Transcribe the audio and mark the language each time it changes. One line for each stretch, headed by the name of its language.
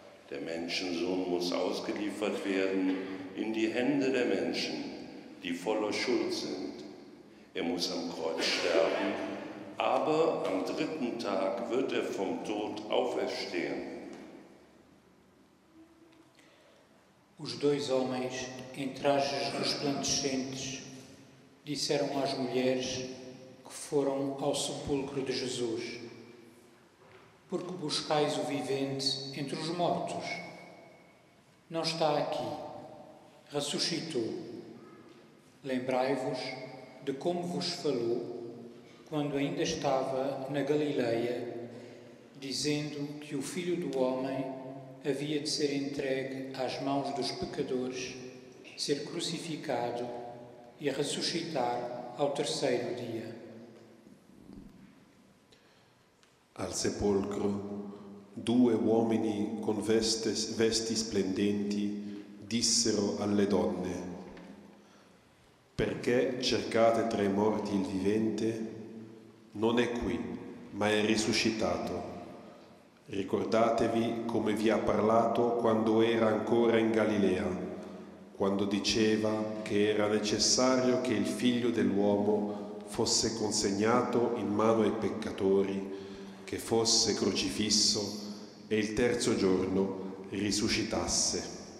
German: Der Menschensohn muss ausgeliefert werden in die Hände der Menschen, die voller Schuld sind. Er muss am Kreuz sterben, aber am dritten Tag wird er vom Tod auferstehen.
Portuguese: Os dois homens, em trajes resplandecentes, disseram às mulheres que foram ao sepulcro de Jesus: Por que buscais o vivente entre os mortos? Não está aqui, ressuscitou. Lembrai-vos de como vos falou quando ainda estava na Galileia, dizendo que o Filho do Homem havia de ser entregue às mãos dos pecadores, ser crucificado e ressuscitar ao terceiro dia.
Italian: Al sepolcro, due uomini con vesti splendenti dissero alle donne: Perché cercate tra i morti il vivente? Non è qui, ma è risuscitato. Ricordatevi come vi ha parlato quando era ancora in Galilea, quando diceva che era necessario che il figlio dell'uomo fosse consegnato in mano ai peccatori, che fosse crocifisso e il terzo giorno risuscitasse.